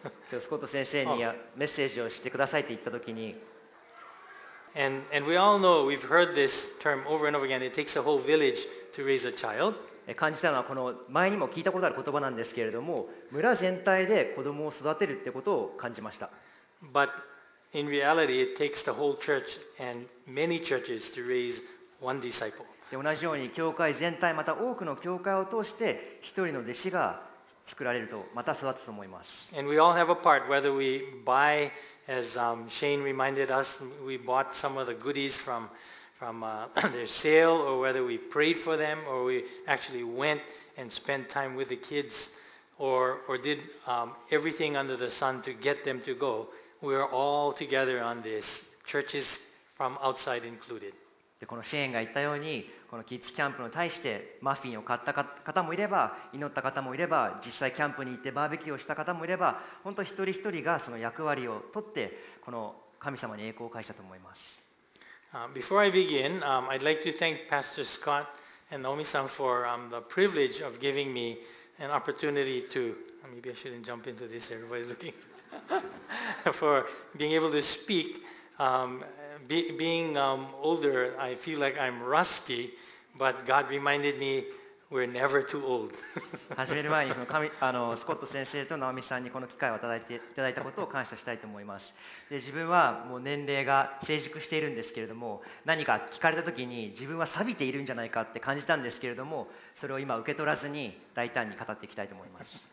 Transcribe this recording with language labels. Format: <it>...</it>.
<ja>スコット先生にメッセージをしてくださいと言ったときに、</ja> <en>And we all know we've heard this term over and over again. It takes a whole village to raise a child.</en> <ja>感じたのはこの前にも聞いたことある言葉なんですけれども、村全体で子供を育てるってことを感じました。</ja> <en>But in reality, it takes the whole church and many churches to raise one disciple.</en> <ja>で同じように教会全体また多くの教会を通して一人の弟子が作られるとまた育つと思います。</ja> <en>And we all have a part, whether we buy, as Shane reminded us, we bought some of the goodies from their sale, or whether we prayed for them, or we actually went and spent time with the kids, or did everything under the sun to get them to go. We are all together on this, churches from outside included.</en> <ja>で、このシェーンが言ったように、このキッズキャンプに対してマフィンを買った方もいれば、祈った方もいれば、実際キャンプに行ってバーベキューをした方もいれば、本当一人一人がその役割を取って、この神様に栄光を返したと思います。</ja> <en>Before I begin, I'd like to thank Pastor Scott and Naomi-san for the privilege of giving me an opportunity to... Maybe I shouldn't jump into this, everybody's looking. for being able to speak. Being older, I feel like I'm rusty, but God reminded me we're never too old.</en> <ja>始める前にその神あのスコット先生とナオミさんにこの機会をいただいたことを感謝したいと思います。で自分はもう年齢が成熟しているんですけれども、何か聞かれた時に自分は錆びているんじゃないかって感じたんですけれども、それを今受け取らずに大胆に語っていきたいと思います。</ja>